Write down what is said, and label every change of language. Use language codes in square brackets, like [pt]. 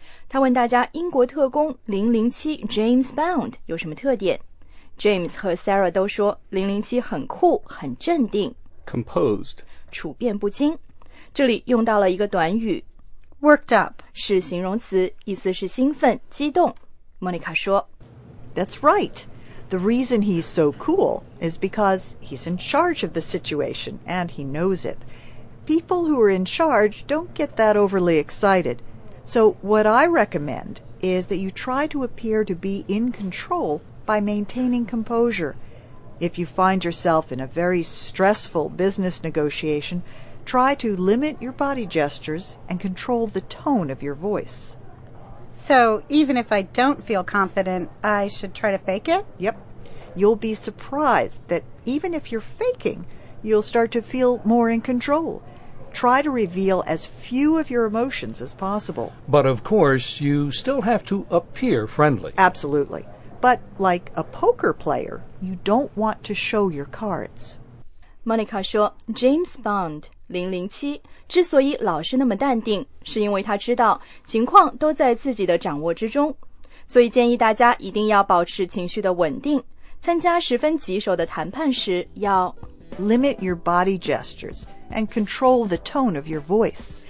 [zh] 他问大家英国特工007 James Bond 有什么特点。 James 和 Sarah 都说007很酷，很镇定 [en] Composed [zh] 处变不惊。这里用到了一个短语 [en] Worked up [zh] 是形容词，意思是兴奋、激动。 Monica 说 [en] That's right. The reason he's so cool is because he's in charge of the situation and he knows it. People who are in charge don't get that overly excited. So what I recommend is that you try to appear to be in control by maintaining composure. If you find yourself in a very stressful business negotiation,Try to limit your body gestures and control the tone of your voice. So, even if I don't feel confident, I should try to fake it? Yep. You'll be surprised that even if you're faking, you'll start to feel more in control. Try to reveal as few of your emotions as possible. But of course, you still have to appear friendly. Absolutely. But like a poker player, you don't want to show your cards. [zh] Monica 说, James Bond. 007之所以老是那么淡定，是因为他知道情况都在自己的掌握之中，所以建议大家一定要保持情绪的稳定，参加十分棘手的谈判时要 [en] limit your body gestures and control the tone of your voice，